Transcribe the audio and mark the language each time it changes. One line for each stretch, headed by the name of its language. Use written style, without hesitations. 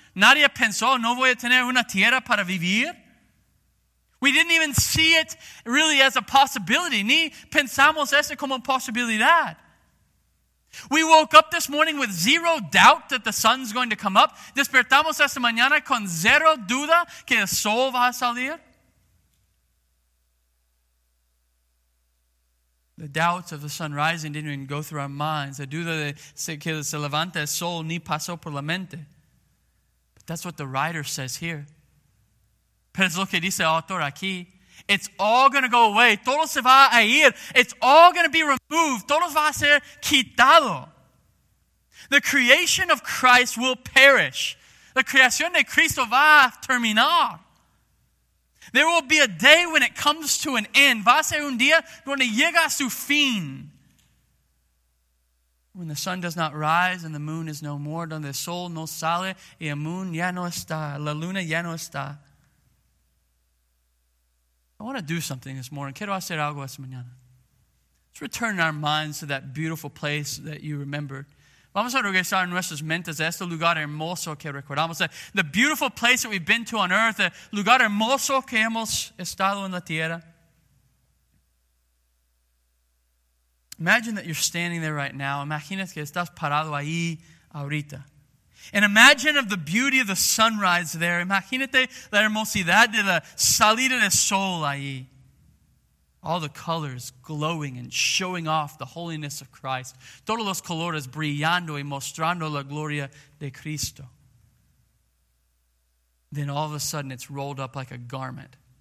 Spanish: Nadie pensó, no voy a tener una tierra para vivir.
English: We didn't even see it really as a possibility.
Spanish: Ni pensamos eso como posibilidad.
English: We woke up this morning with zero doubt that the sun's going to come up.
Spanish: Despertamos esta mañana con zero duda que el sol va a salir.
English: The doubts of the sun rising didn't even go through our minds.
Spanish: La duda de que se levanta el sol ni pasó por la mente.
English: But that's what the writer says here.
Spanish: Pero es lo que dice el autor aquí.
English: It's all going to go away.
Spanish: Todo se va a ir.
English: It's all going to be removed.
Spanish: Todo va a ser quitado.
English: The creation of Christ will perish.
Spanish: La creación de Cristo va a terminar.
English: There will be a day when it comes to an end.
Spanish: Va a ser un día donde llega a su fin.
English: When the sun does not rise and the moon is no more.
Spanish: Donde el sol no sale y el moon ya no está. La luna ya no está.
English: I want to do something this morning.
Spanish: Quiero hacer algo esta mañana.
English: Let's return our minds to that beautiful place that you remembered.
Spanish: Vamos a regresar nuestras mentes a este lugar hermoso que recordamos.
English: The beautiful place that we've been to on earth,
Spanish: el lugar hermoso que hemos estado en la tierra.
English: Imagine that you're standing there right now.
Spanish: Imagínate que estás parado ahí ahorita.
English: And imagine of the beauty of the sunrise there.
Spanish: Imagínate la hermosidad de la salida del sol ahí.
English: All the colors glowing and showing off the holiness of Christ.
Spanish: Todos los colores brillando y mostrando la gloria de Cristo.
English: Then all of a sudden it's rolled up like a garment.